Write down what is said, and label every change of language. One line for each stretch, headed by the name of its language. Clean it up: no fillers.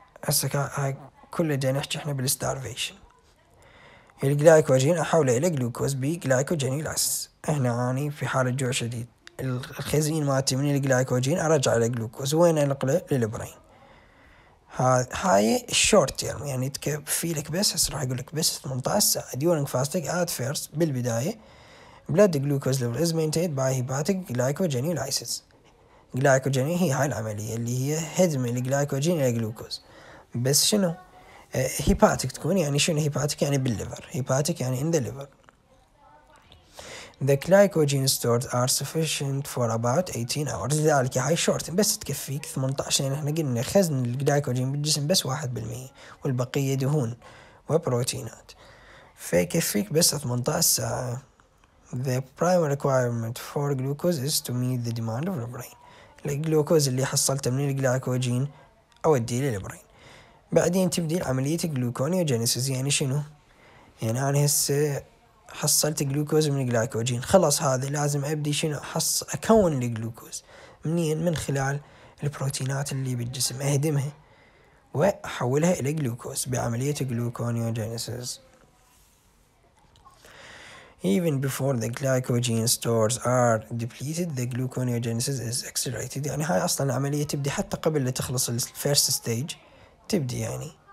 Arabic: هسه هاي كل جاي نحكي احنا بالستارفيشن، الجلايكوجين احوله الى جلوكوز بجلايكوجينيولايسيس. احنا عاني في حالة جوع شديد، الخزين مالتي من الجلايكوجين ارجع الى جلوكوز، وين انقله؟ للبرين. هاي الشورت تيرم، يعني تكفي لك بس، هسه راح اقول لك بس 18 ساعة.
English: during fasting at first,
Arabic: بالبداية
English: blood glucose level is maintained by hepatic glycogenolysis.
Arabic: glycogen هي هاي العملية اللي هي هدم الجلايكوجين إلى جلوكوز. بس شنو؟ hepatic تكون، يعني شنو hepatic؟ يعني بالليفر.
English: hepatic يعني in the liver. the glycogen stored are sufficient for about 18 hours.
Arabic: لذلك هاي short، بس تكفيك 18، يعني إحنا قلنا خزن الجلايكوجين بالجسم بس 1%، والبقية دهون وبروتينات. فيكفيك بس 18 ساعة.
English: the primary requirement for glucose is to meet the demand of the brain.
Arabic: الجلوكوز اللي حصلته من الجلايكوجين اوديه للبرين. بعدين تبدي عملية جلوكونيوجينيسيس، يعني شنو؟ يعني انا هسه حصلت جلوكوز من الجلايكوجين، خلاص هذا لازم ابدي شنو حص اكون الجلوكوز منين؟ من خلال البروتينات اللي بالجسم، اهدمها واحولها الى جلوكوز بعملية جلوكونيوجينيسيس.
English: Even before the glycogen stores are depleted, the gluconeogenesis is accelerated.
Arabic: يعني هاي أصلاً عملية تبدي حتى قبل لا تخلص الـ
English: first stage
Arabic: تبدي يعني.